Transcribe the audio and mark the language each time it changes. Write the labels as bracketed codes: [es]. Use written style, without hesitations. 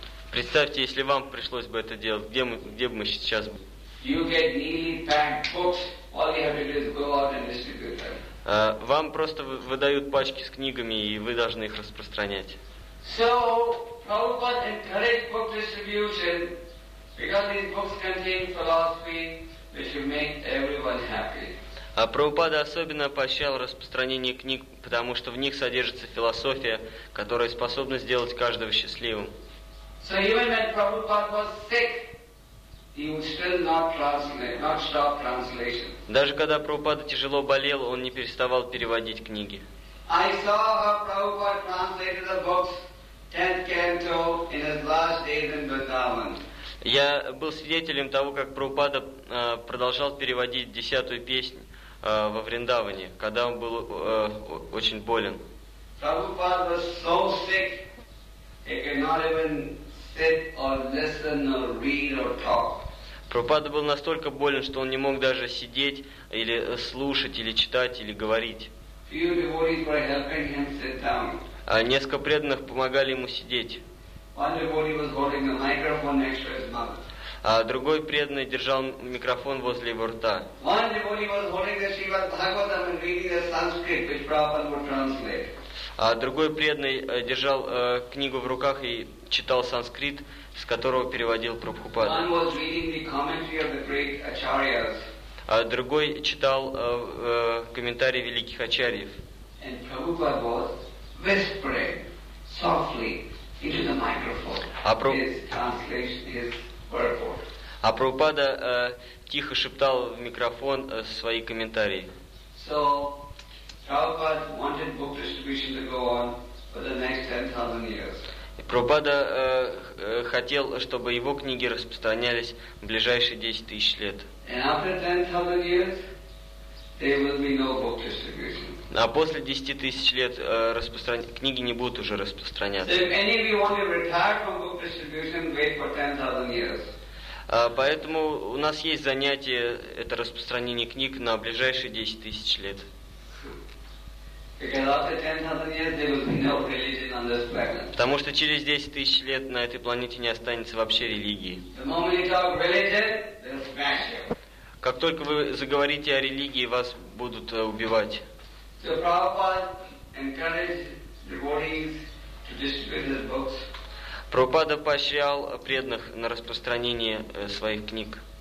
[ru] Представьте, если вам пришлось бы это делать, где бы мы сейчас были? [en] You get nearly packed books All you have to do is go out and distribute them. [ru] Вам просто выдают пачки с книгами, и вы должны их распространять. [en] So, Prabhupada encouraged book distribution because these books contain philosophy which will make everyone happy. [ru] А Прабхупада особенно поощрял распространение книг, потому что в них содержится философия, которая способна сделать каждого счастливым. [en] So even when Prabhupada was sick, he would still not translate, not stop translation. [ru] Даже когда Прабхупада тяжело болел, он не переставал переводить книги. [en] I saw how Prabhupada translated the books, 10th canto, in his last days in Vrindavan. [ru] Я был свидетелем того, как Прабхупада продолжал переводить десятую песню во Вриндаване, когда он был очень болен. [en] Prabhupada was so sick, he could not even sit or listen or read or talk. [ru] Прабхупада был настолько болен, что он не мог даже сидеть или слушать, или читать, или говорить. [en] Few devotees were helping him sit down. [ru] А несколько преданных помогали ему сидеть. [en] One devotee was holding a microphone next to his mouth. [ru] А другой преданный держал микрофон возле его рта. [en] One devotee was holding the Srimad Bhagavatam and reading the Sanskrit, which Prabhupada would translate. [ru] А другой преданный держал книгу в руках и читал санскрит, с которого переводил Прабхупада. [en] One was reading the commentary of the great acharyas. [ru] А другой читал комментарии великих ачарьев. [en] And Prabhupada was whispering softly into the microphone his translation, his purport. [ru] А Прабхупада тихо шептал в микрофон свои комментарии. [en] So, Prabhupada wanted book distribution to go on for the next 10,000 years. [ru] Прабхупада хотел, чтобы его книги распространялись в ближайшие 10 тысяч лет. [en] And after 10,000 years, there will be no book distribution. [ru] А после 10 тысяч лет книги не будут уже распространяться. [en] So if any of you want to retire from book distribution, wait for 10,000 years. [ru] Поэтому у нас есть занятие, это распространение книг на ближайшие 10 тысяч лет. [en] Because after 10,000 years there will be no religion on this planet. [ru] Потому что через 10 тысяч лет на этой планете не останется вообще религии. [en] The moment you talk religion, they'll smash you. [ru] Как только вы заговорите о религии, вас будут убивать. [en] So Prabhupada encouraged devotees to distribute his books. [ru] Прабхупада поощрял преданных на распространение своих книг.